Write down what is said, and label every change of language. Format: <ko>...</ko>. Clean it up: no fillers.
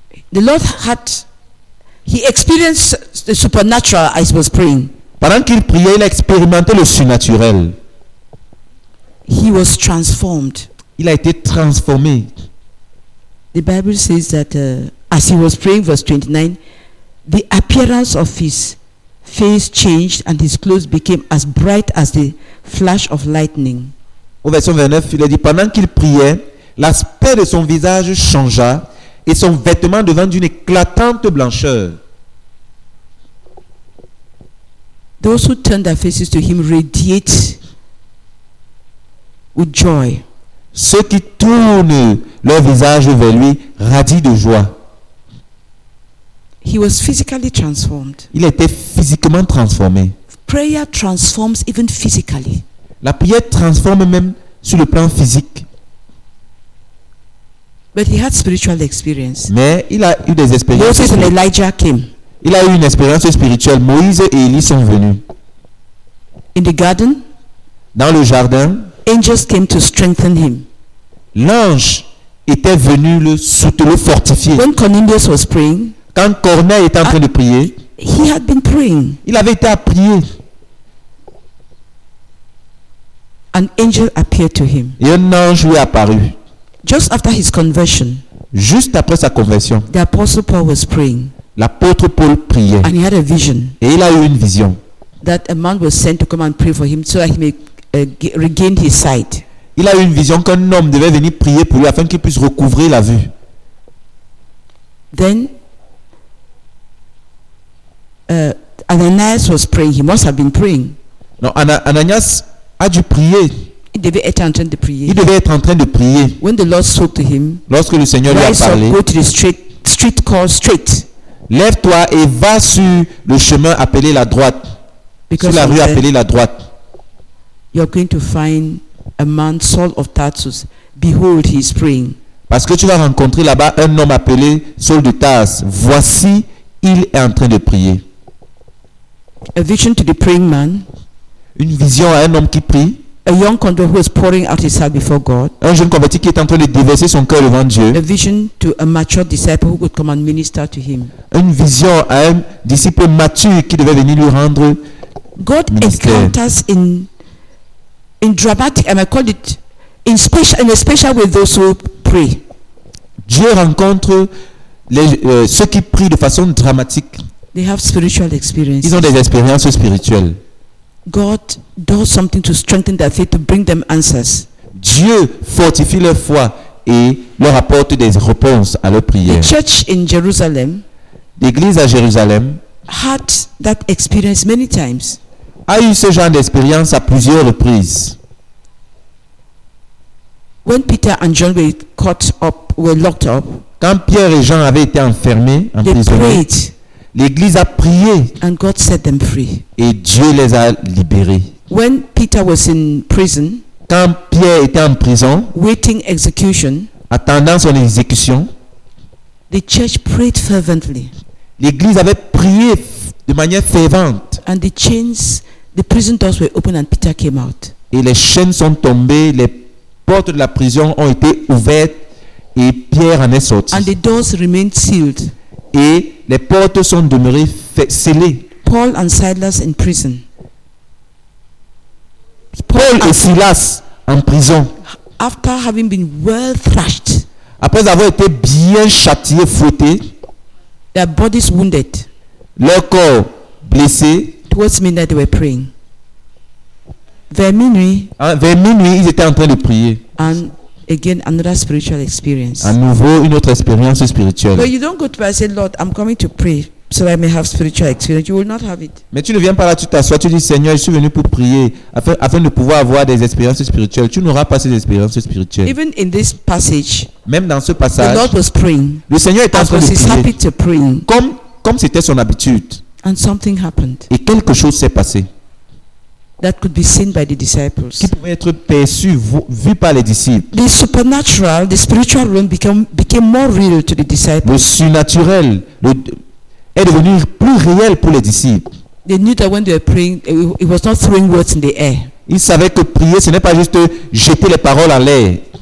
<en>The Lord had, he experienced the supernatural as he was praying.</en> <fr>Pendant qu'il priait, il a expérimenté le surnaturel.</fr> <en>He was transformed.</en> <fr>Il a été transformé.</fr> <en>The Bible says that as he was praying, verse 29, the appearance of his face changed and his clothes became as bright as the flash of lightning.</en> <fr>Au verset 29, il a dit, pendant qu'il priait, l'aspect de son visage changea et son vêtement devint d'une éclatante blancheur.</fr> <en>Those who turn their faces to him radiate with joy.</en> <fr>Ceux qui tournent leur visage vers lui radient de joie.</fr> <en>He was physically transformed.</en> <fr>Il était physiquement transformé.</fr> <en>Prayer transforms even physically.</en> <fr>La prière transforme même sur le plan physique.</fr> <en>But he had spiritual experience.</en> <fr>Mais il a eu des expériences.</fr> <en>Moses and Elijah came.</en> <fr>Il a eu une expérience spirituelle. Moïse et Élie sont venus.</fr> <en>In the garden,</en> <fr>dans le jardin,</fr> <en>angels came to strengthen him.</en> <fr>L'ange était venu le soutenir, fortifier.</fr> <en>When Cornelius was praying,</en> <fr>quand Cornelius était en train de prier,</fr> <en>he had been praying.</en> <fr>Il avait été à prier.</fr> <en>An angel appeared to him.</en> <fr>Et un ange lui est apparu.</fr> <en>Just after his conversion,</en> <fr>juste après sa conversion,</fr> <en>the apostle Paul was praying.</en> <fr>L'apôtre Paul priait.</fr> <en>And he had a vision.</en> <fr>Et il a eu une vision.</fr> <en>That a man was sent to come and pray for him so that he may regain his sight.</en> <fr>Il a eu une vision qu'un homme devait venir prier pour lui afin qu'il puisse recouvrir la vue.</fr> <en>Then Ananias was praying. He must have been praying.</en> <fr>Non, Ananias a dû prier. Il devait être en train de prier. Il devait être en train de prier.</fr> <en>When the Lord spoke to him,</en> <fr>lorsque le Seigneur lui a parlé,</fr> <en>go to the street called straight.</en> <fr>Lève-toi et va sur le chemin appelé la droite.</fr> <en>Because</en> <fr>sur la rue appelée la droite.</fr> <en>You're going to find a man, Saul of Tarsus. Behold, he is praying.</en> <fr>Parce que tu vas rencontrer là-bas un homme appelé Saul de Tarse. Voici, il est en train de prier.</fr> <en>A vision to the praying man.</en> <fr>Une vision à un homme qui prie.</fr> <en>A young convert who is pouring out his heart before God.</en> <fr>Un jeune converti qui est en train de déverser son cœur devant Dieu.</fr> <en>A vision to a mature disciple who could come and minister to him.</en> <fr>Une vision à un disciple mature qui devait venir lui rendre</fr> <en>God</en> <fr>ministère.</fr> <en>Encounters in dramatic, and I call it in a special with those who pray.</en> <fr>Dieu rencontre ceux qui prient de façon dramatique.</fr> <en>They have spiritual experiences.</en> <fr>Ils ont des expériences spirituelles.</fr> <en>God does something to strengthen their faith to bring them answers.</en> <fr>Dieu fortifie leur foi et leur apporte des réponses à leurs prières.</fr> <en>The church in Jerusalem,</en> <fr>l'église à Jérusalem,</fr> <en>had that experience many times.</en> <fr>A eu ce genre d'expérience à plusieurs reprises.</fr> <en>When Peter and John were caught up, were locked up.</en> <fr>Quand Pierre et Jean avaient été enfermés en prison. L'église a prié.</fr> <en>And God set them free.</en> <fr>Et Dieu les a libérés.</fr> <en>When Peter was in prison,</en> <fr>quand Pierre était en prison,</fr> <en>waiting execution,</en> <fr>attendant son exécution,</fr> <en>the church prayed fervently.</en> <fr>L'église avait prié de manière fervente.</fr> <en>And the chains, the prison doors were open and Peter came out.</en> <fr>Et les chaînes sont tombées, les portes de la prison ont été ouvertes et Pierre en est sorti.</fr> <en>And the doors remained sealed.</en> <fr>Et les portes sont demeurées scellées.</fr> <en>Paul and Silas in prison.</en> <fr>Paul et Silas en prison.</fr> <en>After having been well thrashed.</en> <fr>Après avoir été bien châtié, fouetté.</fr> <en>Their bodies wounded.</en> <fr>Leur corps blessé.</fr> <en>Towards midnight they were praying.</en> <fr>Vers minuit, ils étaient en train de prier.</fr> <en>And again, another spiritual experience.</en> <fr>À nouveau, une autre expérience spirituelle.</fr> <en>But you don't go to pray and say, Lord, I'm coming to pray so that I may have spiritual experience. You will not have it.</en> <fr>Mais tu ne viens pas là, tu t'assois, tu dis, Seigneur, je suis venu pour prier afin de pouvoir avoir des expériences spirituelles. Tu n'auras pas ces expériences spirituelles.</fr> <en>Even in this passage,</en> <fr>même dans ce passage,</fr> <en>the Lord was praying.</en> <fr>Le Seigneur était en train de prier.</fr> <en>He was happy to pray.</en> <fr>Comme c'était son habitude.</fr> <en>And something happened.</en> <fr>Et quelque chose s'est passé.</fr> <en>That could be seen by the disciples.</en> <fr>Qui pouvait être perçu, vu par les disciples.</fr> <en>The supernatural, the spiritual realm became more real to the disciples.</en> <fr>Le surnaturel est devenu plus réel pour les disciples.</fr> <en>They knew that when they were praying, it was not throwing words in the air.</en> <fr>Ils savaient que prier, ce n'est pas juste jeter les paroles en l'air.</fr>